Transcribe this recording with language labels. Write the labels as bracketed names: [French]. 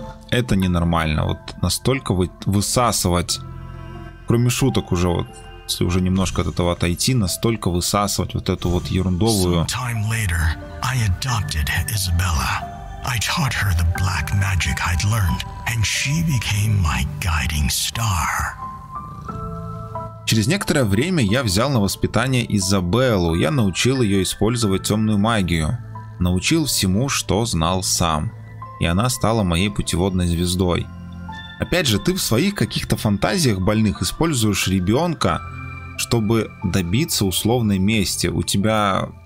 [Russian] Это ненормально. Вот настолько высасывать, кроме шуток уже, вот, если уже немножко от этого отойти, настолько высасывать вот эту вот ерундовую... [English] I adopted Isabella. I taught her the black magic I'd learned, and she became my guiding star. [Russian] Через некоторое время я взял на воспитание Изабеллу. Я научил ее использовать темную магию. Научил всему, что знал сам. И она стала моей путеводной звездой. Опять же, ты в своих каких-то фантазиях больных используешь ребенка, чтобы добиться условной мести. У тебя...